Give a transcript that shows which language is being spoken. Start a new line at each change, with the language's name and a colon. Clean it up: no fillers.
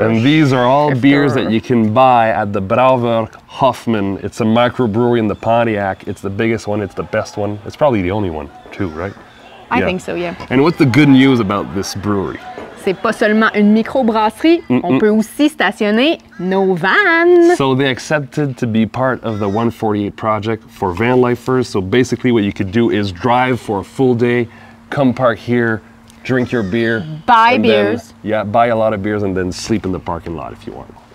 English: And these are all beers that you can buy at the Brauwerk Hoffman. It's a microbrewery in the Pontiac. It's the biggest one, it's the best one. It's probably the only one too, right? I think so, yeah. And what's the good news about this brewery?
French: C'est pas seulement une microbrasserie, on peut aussi stationner nos vans.
English: So they accepted to be part of the 148 project for vanlifers. So basically what you could do is drive for a full day, come park here, drink your beer. Buy beers. Then, yeah, buy a lot of beers and then sleep in the parking lot if you want.